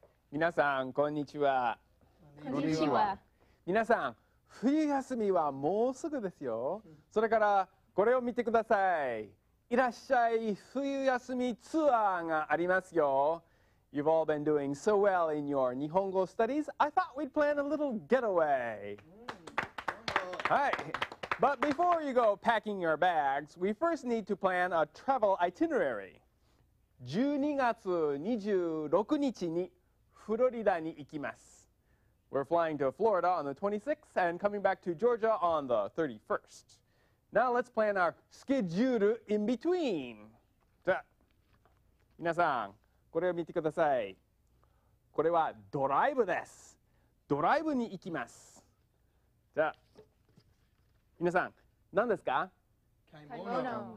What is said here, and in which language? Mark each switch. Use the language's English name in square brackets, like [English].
[Japanese] 皆さん、こんにちは。こんにちは。皆さん、冬休みはもうすぐですよ。それから、これを見てください。いらっしゃい冬休みツアーがありますよ。 [English] You've all been doing so well in your 日本語 studies. I thought we'd plan a little getaway. [Japanese] はい。 [English] But before you go packing your bags, we first need to plan a travel itinerary. [Japanese] 12月26日にフロリダに行きます。 [English] We're flying to Florida on the 26th and coming back to Georgia on the 31st. Now let's plan our schedule in between. [Japanese] じゃあ、皆さん、これを見てください。これはドライブです。ドライブに行きます。じゃあ、皆さん、何ですか？買い物。